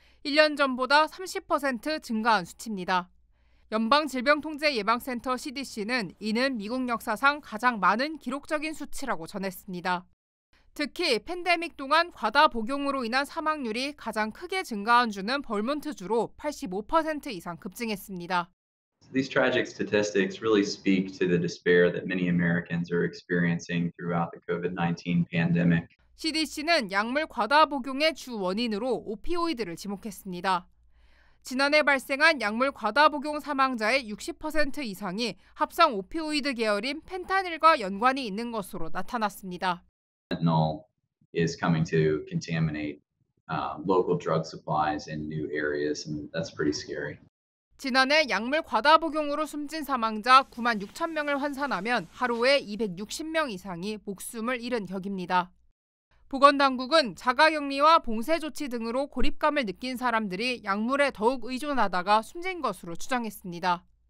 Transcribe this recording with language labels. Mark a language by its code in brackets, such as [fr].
[ko] 1년 전보다 30% 증가한 수치입니다. 연방질병통제예방센터 CDC는 이는 미국 역사상 가장 많은 기록적인 수치라고 전했습니다. 특히 팬데믹 동안 과다 복용으로 인한 사망률이 가장 크게 증가한 주는 버몬트주로 85% 이상 급증했습니다. [en] These tragic statistics really speak to the despair that many Americans are experiencing throughout the COVID-19 pandemic. [ko] CDC는 약물 과다 복용의 주 원인으로 오피오이드를 지목했습니다. 지난해 발생한 약물 과다 복용 사망자의 60% 이상이 합성 오피오이드 계열인 펜타닐과 연관이 있는 것으로 나타났습니다. [en] Fentanyl is coming to contaminate local drug supplies in new areas, and that's pretty scary. [ko] 지난해 약물 과다 복용으로 숨진 사망자 9만 6천 명을 환산하면 하루에 260명 이상이 목숨을 잃은 격입니다. 보건당국은 자가격리와 봉쇄 조치 등으로 고립감을 느낀 사람들이 약물에 더욱 의존하다가 숨진 것으로 추정했습니다.